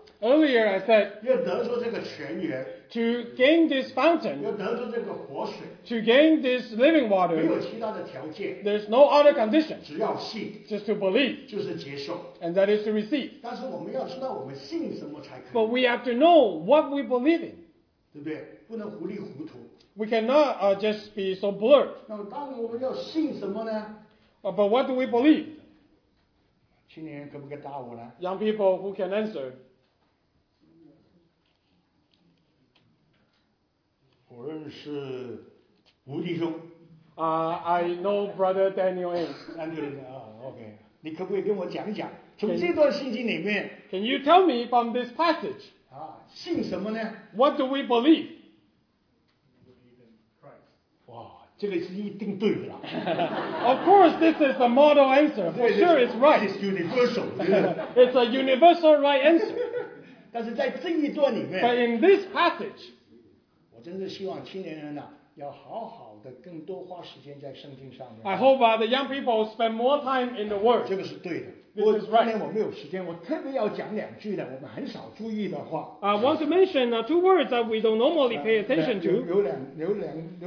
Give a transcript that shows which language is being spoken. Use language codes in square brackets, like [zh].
[en] Earlier I said, [zh] 要得出这个泉源。 [en] To gain this fountain, [zh] 要得出这个活水。 [en] To gain this living water, [zh] 没有其他的条件。 [en] There's no other condition. [zh] 只要信。 [en] Just to believe. [zh] 就是接受。 [en] And that is to receive. [zh] 但是我们要知道我们信什么才可以。 [en] But we have to know what we believe in. [zh] 对不对？不能糊里糊涂。 [en] We cannot just be so blurred. [zh] 那当我们要信什么呢？ [en] But what do we believe? [zh] 青年人可不可以答我呢？ [en] Young people, who can answer? [zh] 我认识吴弟兄。 [en] I know Brother Daniel Ames. Daniel Ames, OK. [zh] 你可不可以跟我讲讲，从这段圣经里面。 [en] Can you tell me from this passage? [zh] 信什么呢？ [en] What do we believe? [zh] 这个是一定对的啦。 [en] Of course, this is the model answer. For sure, it's right. It's universal. It's a universal right answer. [zh] 但是在这一段里面。 [en] But in this passage, [zh] 我真的希望青年人呢、啊，要好好的更多花时间在圣经上面。 [en] I hope the young people spend more time in the Word. [zh] 这个是对的。 [en] This is right. [zh] 今天我没有时间，我特别要讲两句的，我们很少注意的话。 [en] I want to mention two words that we don't normally pay attention to.